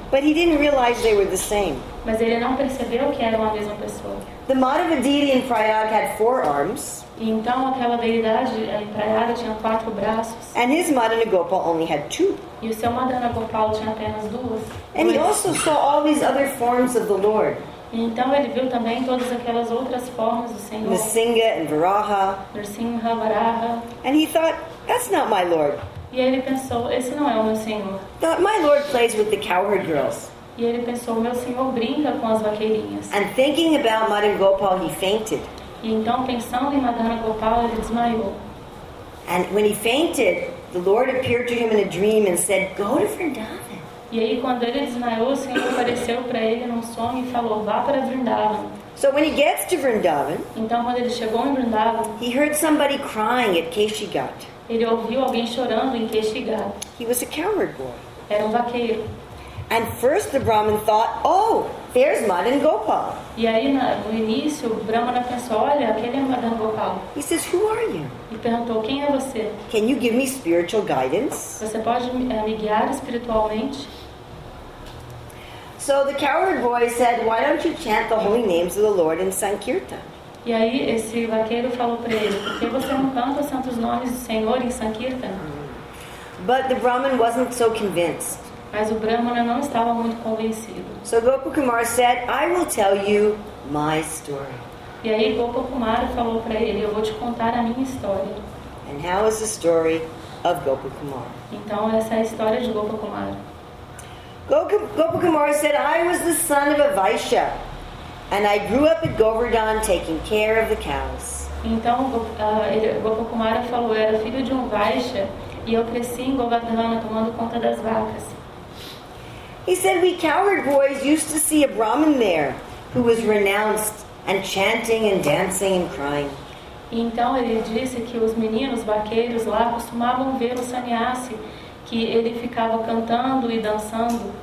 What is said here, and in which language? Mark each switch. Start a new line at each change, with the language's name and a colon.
English: But he didn't realize they were the same.
Portuguese: Mas ele não percebeu que eram a mesma pessoa.
English: The Madhava deity in Prayag had four arms.
Portuguese: E então aquela deidade em Prayag tinha quatro braços.
English: And his Madhana Gopal only had two.
Portuguese: E o seu Madhana Gopal tinha apenas duas.
English: And he also saw all these other forms of the Lord.
Portuguese: E então ele viu também todas aquelas outras formas do Senhor.
English: Nrsimha and Varaha.
Portuguese: Nrsimha, Varaha.
English: And he thought, that's not my Lord.
Portuguese: E ele pensou, esse não é o meu Senhor.
English: Thought, my Lord plays with the cowherd girls.
Portuguese: E ele pensou, meu Senhor brinca com as vaqueirinhas.
English: And thinking about Madhana Gopal, he fainted.
Portuguese: E então pensando em Madhana Gopal, ele desmaiou.
English: And when he fainted, the Lord appeared to him in a dream and said, go to Vrindavan.
Portuguese: E aí quando ele desmaiou, o Senhor apareceu para ele num sonho e falou, vá para Vrindavan.
English: So when he gets to Vrindavan,
Portuguese: então quando ele chegou em Vrindavan,
English: he heard somebody crying at Keshigat.
Portuguese: Ele ouviu alguém chorando em Keshigat.
English: He was a cowherd boy.
Portuguese: Era um vaqueiro.
English: And first the Brahmin thought, oh, there's Madhana Gopal.
Portuguese: E aí no início o Brahmana pensou, olha, aquele é Madhana Gopal.
English: He says, who are you?
Portuguese: E perguntou, quem é você?
English: Can you give me spiritual guidance?
Portuguese: Você pode me guiar espiritualmente?
English: So the cowherd boy said, why don't you chant the holy names of the Lord in Sankirtan?
Portuguese: E aí esse vaqueiro falou para ele, por que você não canta os santos nomes do Senhor em Sankirtan?
English: But the Brahmin wasn't so convinced.
Portuguese: Mas o Brahmana não estava muito convencido.
English: So Gopakumar said, I will tell you my story.
Portuguese: E aí Gopakumar falou para ele, eu vou te contar a minha história.
English: And how is the story of Gopakumar?
Portuguese: Então essa é a história de Gopakumar.
English: Gopakumar said, I was the son of a Vaishya. And I grew up at Govardhan taking care of the cows.
Portuguese: Então Gopakumar falou, eu era filho de um Vaishya e eu cresci em Govardhan tomando conta das vacas.
English: He said, we cowherd boys used to see a Brahmin there who was renounced and chanting and dancing and crying.
Portuguese: Então ele disse que os meninos vaqueiros lá costumavam ver o sannyasi, que ele ficava cantando e dançando.